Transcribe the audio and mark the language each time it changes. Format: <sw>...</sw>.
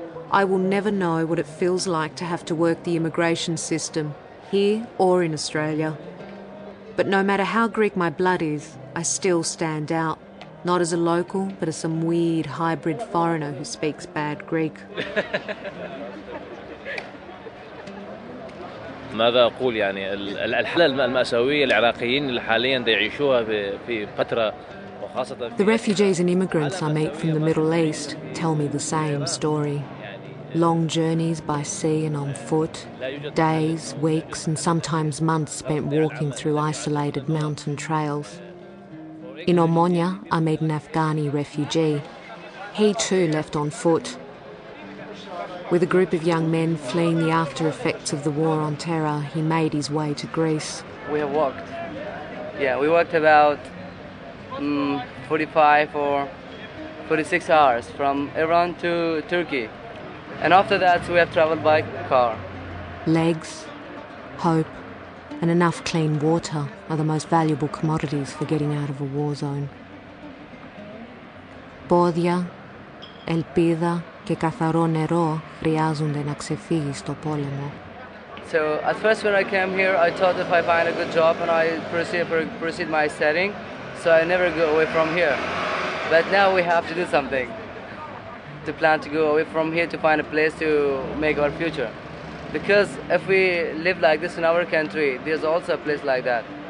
<en>I will never know what it feels like to have to work the immigration system, here or in Australia. But no matter how Greek my blood is, I still stand out, not as a local, but as some weird hybrid foreigner who speaks bad Greek.</en> <ar>ماذا اقول يعني الحاله الماساويه العراقيين اللي حاليا يعيشوها في فتره.</ar> <en>The refugees and immigrants I meet from the Middle East tell me the same story. Long journeys by sea and on foot, days, weeks, and sometimes months spent walking through isolated mountain trails. In Omonia, I meet an Afghani refugee. He too left on foot. With a group of young men fleeing the after effects of the war on terror, he made his way to Greece. We have walked. Yeah, we walked about 45 or 46 hours from Iran to Turkey. And after that, we have traveled by car. Legs, hope, and enough clean water are the most valuable commodities for getting out of a war zone.</en> <el>Πόδια, ελπίδα και καθαρό νερό χρειάζονται να ξεφύγεις το πόλεμο.</el> <en>So at first when I came here, I thought if I find a good job and I proceed my studying, so I never go away from here. But now we have to do something to plan to go away from here to find a place to make our future. Because if we live like this in our country, there's also a place like that.</en>